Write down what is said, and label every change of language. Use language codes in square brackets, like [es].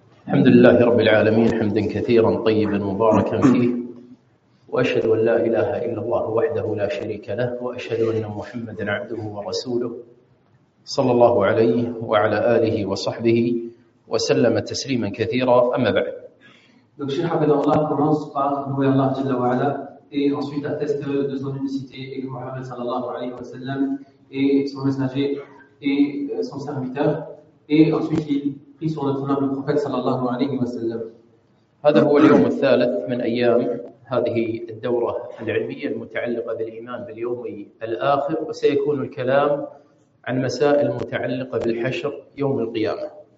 [ar] الحمد لله رب العالمين حمدا كثيرا طيبا مباركا فيه، وأشهد أن لا إله إلا الله وحده لا شريك له، وأشهد أن محمدا عبده ورسوله صلى الله عليه وعلى آله وصحبه وسلم تسليما كثيرا. أما بعد، [fr] donc chers frères, Allah commence par louer Allah Jalla wa Ala et ensuite atteste de son unicité et que Mohammed sallallahu alayhi wa sallam est son messager et son serviteur, et ensuite il prie sur le trône du prophète sallallahu alayhi wa sallam. [ar] هذا هو اليوم الثالث من أيام هذه الدورة العلمية المتعلقة بالإيمان باليوم الآخر، وسيكون الكلام عن مسائل متعلقة بالحشر يوم القيامة.